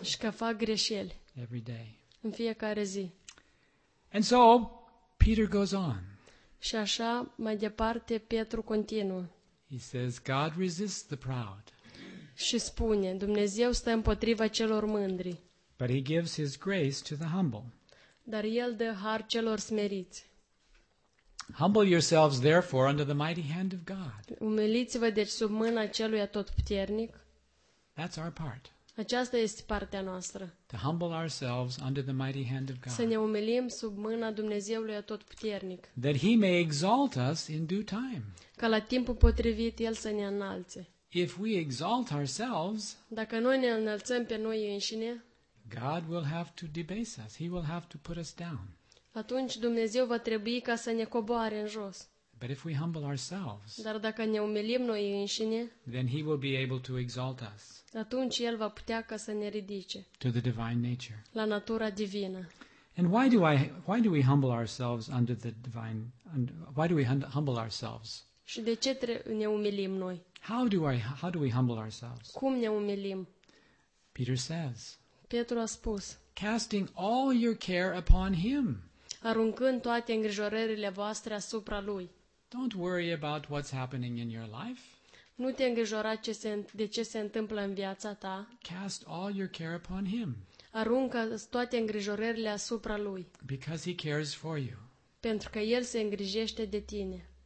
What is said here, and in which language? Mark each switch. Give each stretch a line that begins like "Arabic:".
Romanian: Și că fac greșeli.
English: Every day.
Romanian: În fiecare zi.
English: And so Peter goes on.
Romanian: Și așa mai departe Petru continuă.
English: He says God resists the proud.
Romanian: Și spune, Dumnezeu stă împotriva celor mândri.
English: But he gives his grace to the humble.
Romanian: Dar el dă har celor smeriți.
English: Humble yourselves therefore under the mighty hand of God.
Romanian: Umiliți-vă deci sub mâna celui atotputernic.
English: That's our part.
Romanian: Aceasta este partea noastră.
English: To humble ourselves under the mighty hand of God.
Romanian: Să ne umilim sub mâna Dumnezeului atotputernic.
English: That he may exalt us in due time.
Romanian: Ca la timpul potrivit el să ne înalțe.
English: If we exalt ourselves,
Romanian: dacă noi ne înălțăm pe noi înșine,
English: God will have to debase us. He will have to put us down.
Romanian: Atunci Dumnezeu va trebui ca să ne coboare în jos.
English: But if we humble ourselves,
Romanian: dar dacă ne umilim noi înșine,
English: then he will be able to exalt us.
Romanian: Atunci el va putea ca să ne ridice.
English: To the divine nature.
Romanian: La natura divină.
English: And why do we humble ourselves under the divine, why do we humble ourselves?
Romanian: Și de ce ne umilim noi?
English: How do we humble ourselves?
Romanian: Cum ne umilim?
English: Peter says.
Romanian: Petru a spus.
English: Casting all your care upon him.
Romanian: Aruncând toate îngrijorările voastre asupra lui.
English: Don't worry about what's happening in your life.
Romanian: Nu te îngrijora de ce se întâmplă în viața ta.
English: Cast all your care upon him.
Romanian: Aruncă toate îngrijorările asupra lui.
English: Because he cares for you.
Romanian: Pentru că el se îngrijește de tine.